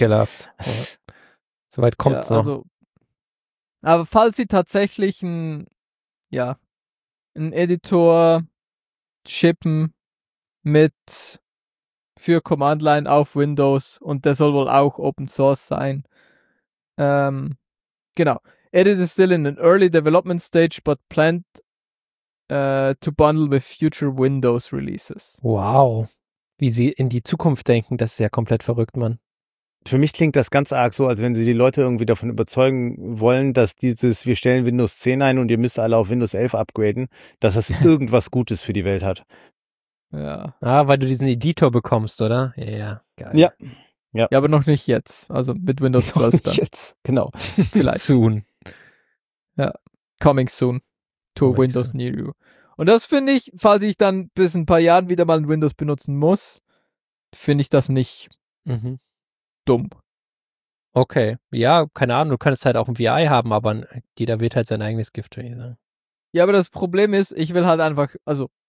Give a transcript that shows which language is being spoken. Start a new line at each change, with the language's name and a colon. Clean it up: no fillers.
German: Ekelhaft. Soweit kommt es, ja, noch. Also, aber falls sie tatsächlich einen Editor shippen mit für Command Line auf Windows und der soll wohl auch Open Source sein. Genau.
English: Edit is still in an early development stage, but planned to bundle with future Windows releases. Wow.
German: Wie sie in die Zukunft denken, das ist ja komplett verrückt, Mann. Für mich klingt das ganz arg so, als wenn sie die Leute irgendwie davon überzeugen wollen, dass dieses, wir stellen Windows 10 ein und ihr müsst alle auf Windows 11 upgraden, dass das irgendwas Gutes für die Welt hat. Ja. Ah, weil du diesen Editor bekommst, oder? Ja, yeah, geil. Ja. Ja. Ja, aber noch nicht jetzt. Also mit Windows 12 noch dann. Nicht jetzt, genau. Vielleicht.
English: Soon. Ja, coming soon to coming Windows soon. Near you.
German: Und das finde ich, falls ich dann bis ein paar Jahren wieder mal ein Windows benutzen muss, finde ich das nicht dumm. Okay, ja, keine Ahnung, du könntest halt auch ein VI haben, aber jeder wird halt sein eigenes Gift, würde ich sagen. Ja, aber das Problem ist, ich will halt einfach, also...